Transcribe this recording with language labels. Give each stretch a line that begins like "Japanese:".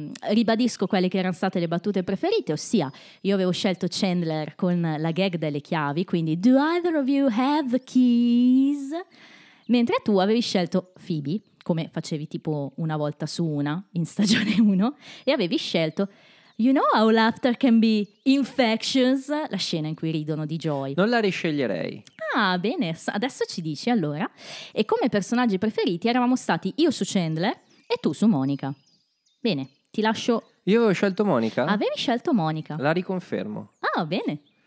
Italian: Ribadisco quelle che erano state le battute preferite, ossia io avevo scelto Chandler con la gag delle chiavi, quindi
English: do either of you have the keys?
Italian: Mentre tu avevi scelto Phoebe, come facevi tipo una volta su una in stagione 1, e avevi scelto...
English: You know how laughter can be infectious?
Italian: La scena in cui ridono di Joy. Non la risceglierei. Ah, bene, adesso ci dici allora. E come personaggi preferiti eravamo stati io su Chandler e tu su Monica. Bene, ti lascio. Io avevo scelto Monica. Avevi scelto Monica. La riconfermo. Ah, bene.